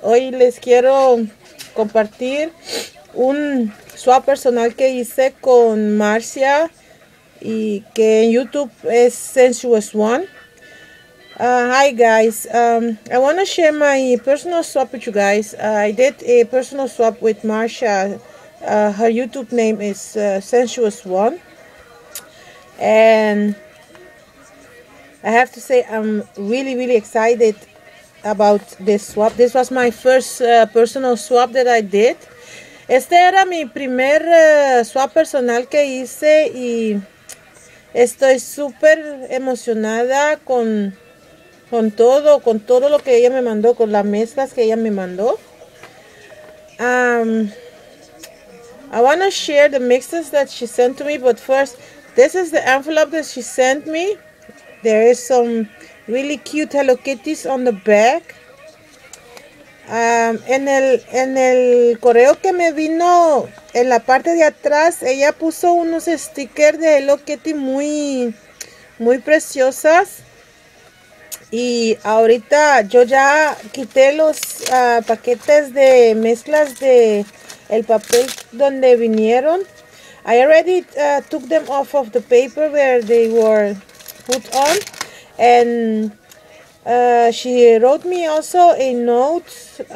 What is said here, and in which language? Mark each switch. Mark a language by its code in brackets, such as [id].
[es] Hoy les quiero compartir un swap personal que hice con Marcia y que en YouTube es Sensuous One. [en] Hi guys, I want to share my personal swap with you guys. I did a personal swap with Marcia. Her YouTube name is Sensuous One. And I have to say I'm really, really excited about this swap. This was my first personal swap that I did. [es] Este era mi primer swap personal que hice y estoy súper emocionada con todo lo que ella me mandó, con las mezclas que ella me mandó. [en] I want to share the mixes that she sent to me, but first, this is the envelope that she sent me. There is some really cute Hello Kitties on the back. [es] En el correo que me vino, en la parte de atrás, ella puso unos stickers de Hello Kitty muy, muy preciosas. Y ahorita yo ya quité los paquetes de mezclas de el papel donde vinieron. [en] I already took them off of the paper where they were put on, and she wrote me also a note.